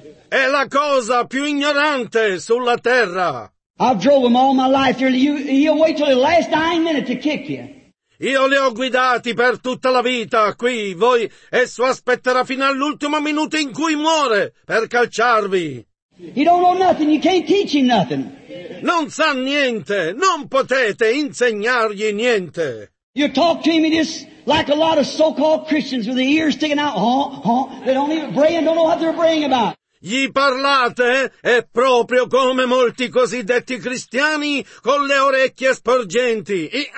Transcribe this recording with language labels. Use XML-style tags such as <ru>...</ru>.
<it>È la cosa più ignorante sulla terra.</it> <en>I've drove him all my life. He'll wait till the last dying minute to kick you.</en> <it>Io li ho guidati per tutta la vita qui. Voi, esso aspetterà fino all'ultimo minuto in cui muore per calciarvi.</it> <en>He don't know nothing, you can't teach him nothing.</en> <it>Non sa niente, non potete insegnargli niente.</it> <en>You talk to him, he just like a lot of so-called Christians with the ears sticking out, they don't even pray and don't know what they're praying about.</en> <it>Gli parlate, è proprio come molti cosiddetti cristiani con le orecchie sporgenti.</it>